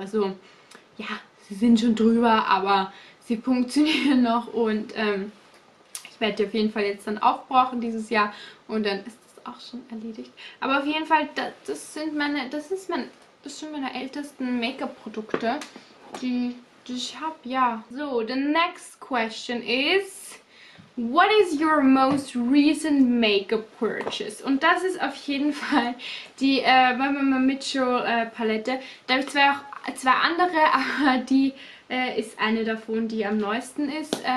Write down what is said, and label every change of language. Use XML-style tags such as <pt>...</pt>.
<de>Also ja, sie sind schon drüber, aber sie funktionieren noch. Und ich werde die auf jeden Fall jetzt dann aufbrauchen dieses Jahr. Und dann ist das auch schon erledigt. Aber auf jeden Fall, das sind meine ältesten Make-up-Produkte, die ich habe, ja.</de> <en>So, the next question is, what is your most recent makeup purchase?</en> <de>Und das ist auf jeden Fall die Mama Mitchell Palette. Da habe ich zwei andere, aber die ist eine davon, die am neuesten ist.</de>